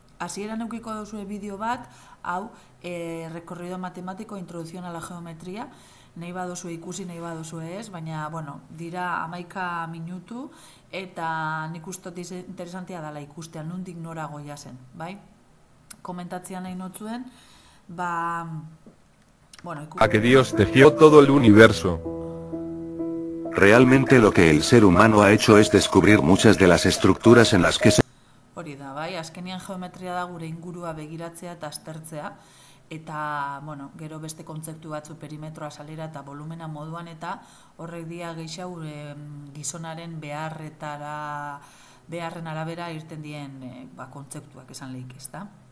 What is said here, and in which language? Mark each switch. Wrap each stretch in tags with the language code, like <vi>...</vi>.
<eu>Hasieran edukiko duzu bideo bat, hau,</eu> <es>recorrido matematiko, introducción a la geometría,</es> <eu>nahi baduzu ikusi, nahi baduzu ez, baina, bueno, dira 11 minutu, eta nik uste dut interesantia dela ikustea, nundik nora goia zen, bai? Komentatzea nahi notzuen, ba, bueno,</eu> <es>A que Dios teció todo el universo. Realmente lo que el ser humano ha hecho es descubrir muchas de las estructuras en las que se...</es> <eu>Hori da, bai, azkenian geometria da gure ingurua begiratzea eta aztertzea, eta, bueno, gero beste kontzeptu batzu perimetroa salera eta volumena moduan, eta horrek dia geixa gure gizonaren beharretara, beharren arabera irten dien ba, kontzeptuak esan lehik ez da.</eu>